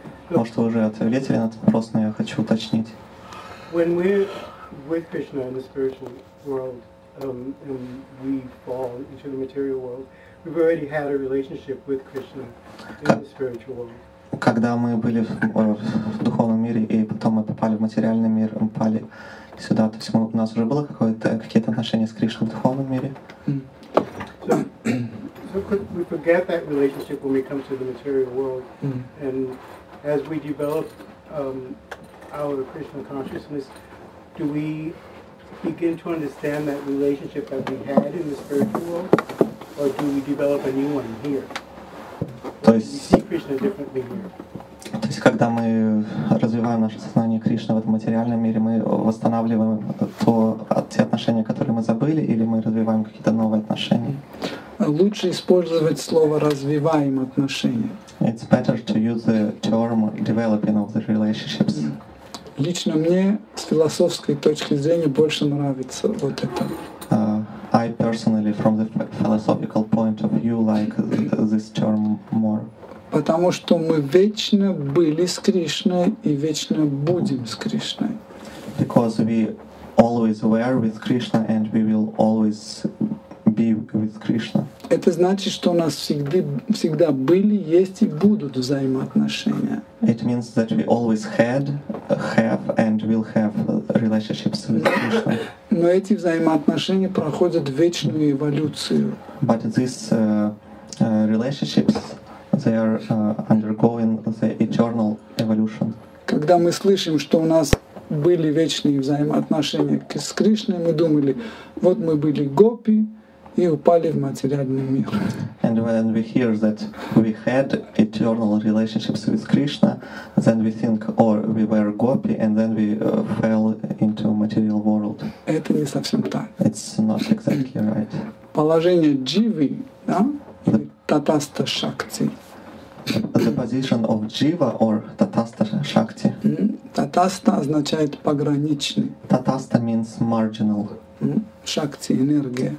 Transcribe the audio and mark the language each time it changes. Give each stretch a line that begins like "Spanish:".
Russian: Может, вы уже ответили на этот вопрос, но я хочу уточнить.
English: When we're with Krishna in the spiritual world, and we fall into the material world, we've already had a relationship with Krishna in the spiritual world.
Russian: Когда мы были в духовном мире и потом мы попали в материальный мир, мы попали сюда, то есть у нас уже было какие-то отношения с Кришной в духовном мире.
English: So could we forget that relationship when we come to the material world, and as we develop out of Krishna consciousness, do we begin to understand that relationship that we had in the spiritual world, or do we develop a new one here?
Russian: То есть, когда мы развиваем наше сознание Кришны в этом материальном мире, мы восстанавливаем те отношения, которые мы забыли, или мы развиваем какие-то новые отношения? Лучше использовать слово «развиваем отношения».
English: It's better to use the term «developing of the relationships».
Russian: Лично мне с философской точки зрения больше нравится вот это.
English: I personally, from the philosophical point of view, like this term more.
Russian: Потому что мы вечно были с Кришной и вечно будем с Кришной.
English: Because we always were with Krishna and we will always be with Krishna.
Russian: Это значит, что у нас всегда были, есть и будут взаимоотношения.
English: It means that we always had, have, and will have relationships with Krishna.
Russian: Но эти взаимоотношения проходят вечную эволюцию.
English: But these relationships, they are undergoing the eternal evolution.
Russian: Когда мы слышим, что у нас были вечные взаимоотношения с Кришной, мы думали, вот мы были гопи и упали в материальный мир.
English: And when we hear that we had eternal relationships with Krishna, then we think, or we were gopi, and then we fell into material world.
Russian: Это не совсем так.
English: It's not exactly right.
Russian: Положение дживы, да, или татаста шакти.
English: The position of jiva or tatasta shakti.
Russian: Tatasta означает пограничный.
English: Tatasta means marginal.
Russian: Shakti энергия.